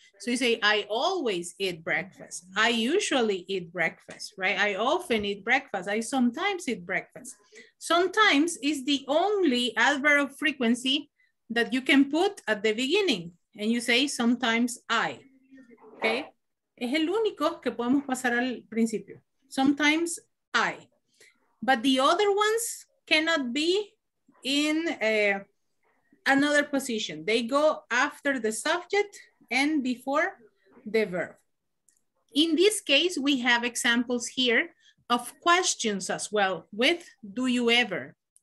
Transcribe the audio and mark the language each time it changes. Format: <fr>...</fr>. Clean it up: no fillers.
<en>So you say, I always eat breakfast. I usually eat breakfast, right? I often eat breakfast. I sometimes eat breakfast. Sometimes is the only adverb of frequency that you can put at the beginning. And you say, sometimes I, okay?</en> <es>Es el único que podemos pasar al principio.</es> <en>Sometimes I. But the other ones cannot be in another position. They go after the subject and before the verb. In this case, we have examples here of questions as well with do you ever.</en>